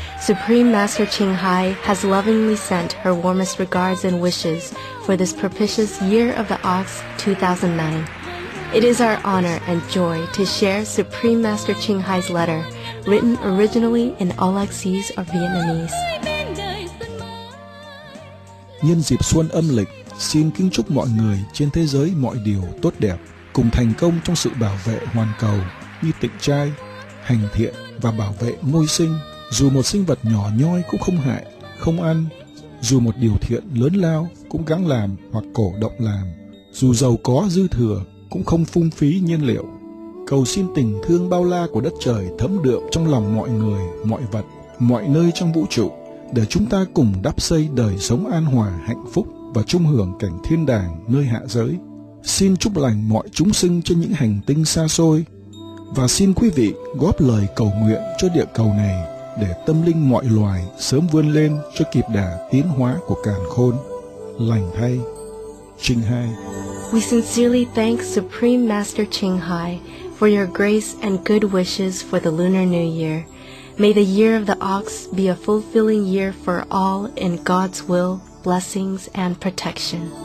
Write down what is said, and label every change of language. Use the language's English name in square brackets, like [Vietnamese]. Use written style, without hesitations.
[English] Supreme Master Ching Hai has lovingly sent her warmest regards and wishes for this propitious Year of the Ox 2009. It is our honor and joy to share Supreme Master Ching Hai's letter, written originally in Olexese or Vietnamese. [Vietnamese] Nhân dịp xuân âm lịch, xin kính chúc mọi người trên thế giới mọi điều tốt đẹp, cùng thành công trong sự bảo vệ hoàn cầu, như tịnh trai, hành thiện và bảo vệ môi sinh. Dù một sinh vật nhỏ nhoi cũng không hại, không ăn, dù một điều thiện lớn lao cũng gắng làm hoặc cổ động làm, dù giàu có dư thừa cũng không phung phí nhiên liệu. Cầu xin tình thương bao la của đất trời thấm đượm trong lòng mọi người, mọi vật, mọi nơi trong vũ trụ, để chúng ta cùng đắp xây đời sống an hòa, hạnh phúc và chung hưởng cảnh thiên đàng nơi hạ giới. Xin chúc lành mọi chúng sinh trên những hành tinh xa xôi. Và xin quý vị góp lời cầu nguyện cho địa cầu này, để tâm linh mọi loài sớm vươn lên cho kịp đà tiến hóa của càn khôn. Lành thay, Ching Hai. [English] We sincerely thank Supreme Master Ching Hai for your grace and good wishes for the Lunar New Year. May the Year of the Ox be a fulfilling year for all in God's will, blessings, and protection.